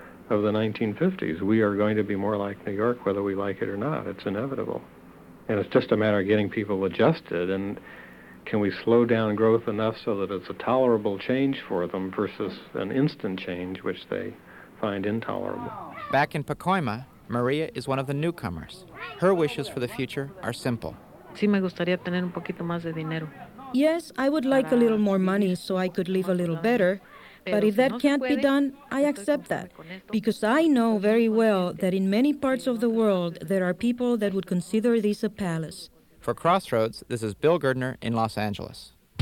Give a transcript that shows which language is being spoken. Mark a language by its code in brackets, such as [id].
[en] of the 1950s. We are going to be more like New York, whether we like it or not. It's inevitable. And it's just a matter of getting people adjusted. And can we slow down growth enough so that it's a tolerable change for them versus an instant change, which they find intolerable? Back in Pacoima, Maria is one of the newcomers. Her wishes for the future are simple. [es] Sí, me gustaría tener un poquito más de dinero. [en] Yes, I would like a little more money so I could live a little better. But if that can't be done, I accept that. Because I know very well that in many parts of the world, there are people that would consider this a palace. For Crossroads, this is Bill Gerdner in Los Angeles.